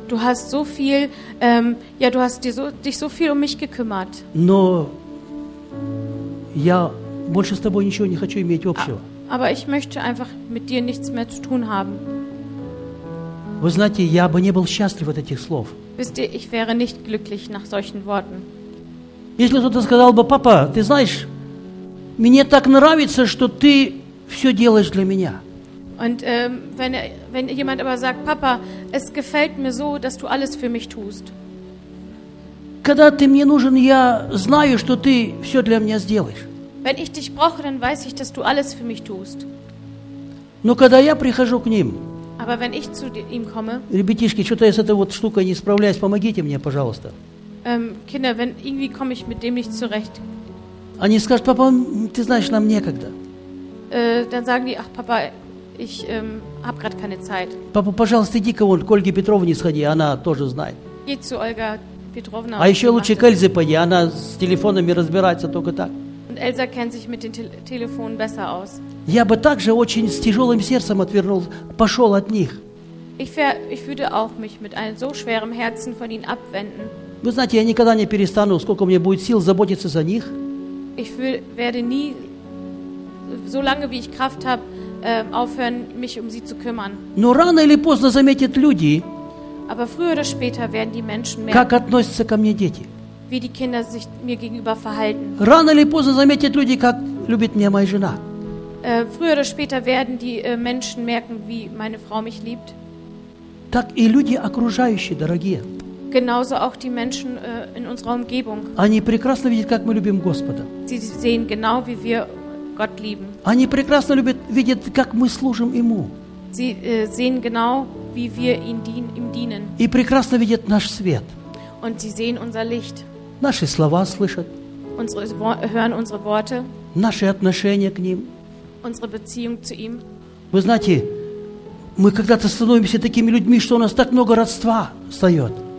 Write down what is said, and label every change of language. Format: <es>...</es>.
<de>Du hast so viel, du hast dich so viel um mich gekümmert.</de> <ru>Но я больше с тобой ничего не хочу иметь общего.</ru> <de>Aber ich möchte einfach mit dir nichts mehr zu tun haben.</de> <ru>Вы знаете, я бы не был счастлив от этих слов.</ru> <de>Wisst ihr, ich wäre nicht glücklich nach solchen Worten.</de> <ru>Если кто-то сказал бы: папа, ты знаешь, мне так нравится, что ты все делаешь для меня.</ru> <de>Und wenn jemand aber sagt: Papa, es gefällt mir so, dass du alles für mich tust.</de> <ru>Когда ты мне нужен, я знаю, что ты все для меня сделаешь.</ru> <de>Wenn ich dich brauche, dann weiß ich, dass du alles für mich tust.</de> <ru>Но когда я прихожу к ним,</ru> <de>aber wenn ich zu ihm komme,</de> <ru>ребятишки, что-то я с этой вот штукой не справляюсь, помогите мне, пожалуйста.</ru> <de>Kinder, wenn irgendwie komme ich mit dem nicht zurecht.</de> <ru>Они скажут: папа, ты знаешь, нам некогда.</ru> <de>Dann sagen die: ach, Papa, ich habe gerade keine Zeit.</de> <ru>Papa, пожалуйста, иди-ка вон, к Ольге Петровне сходи, она тоже знает.</ru> <de>Geh zu Olga Petrovna.</de> <ru>А еще лучше к Эльзе пойди, она с телефонами разбирается только так.</ru> <de>Und Elsa kennt sich mit den Telefonen besser aus.</de> <ru>Я бы также очень с тяжелым сердцем пошел от них.</ru> <de>Ich würde auch mich mit einem so schweren Herzen von ihnen abwenden.</de> <ru>Вы знаете, я никогда не перестану, сколько мне будет сил, заботиться за них.</ru> <de>Ich werde nie, so lange wie ich Kraft habe, aufhören, mich um sie zu kümmern.</de> <ru>Но рано или поздно заметят люди.</ru> <de>Aber früher oder später werden die Menschen merken.</de> <ru>Как относятся ко мне дети?</ru> <de>Wie die Kinder sich mir gegenüber verhalten.</de> <ru>Рано или поздно заметят люди, как любит меня моя жена.</ru> <de>Früher oder später werden die Menschen merken, wie meine Frau mich liebt.</de> <ru>Так и люди окружающие, дорогие.</ru> <de>Genauso auch die Menschen in unserer Umgebung.</de> <ru>Они прекрасно видят, как мы любим Господа.</ru> <de>Sie sehen genau, wie wir Gott lieben.</de> <ru>Они прекрасно любят, видят, как мы служим Ему.</ru> <de>Sie sehen genau, wie wir ihm dienen.</de> <ru>И прекрасно видят наш свет.</ru> <de>Und sie sehen unser Licht.</de> <ru>Наши слова слышат.</ru> <de>Hören unsere Worte.</de> <ru>Наши отношения к ним.</ru> <de>Unsere Beziehung zu ihm.</de> <ru>Вы знаете, мы когда-то становимся такими людьми, что у нас так много родства встает.</ru>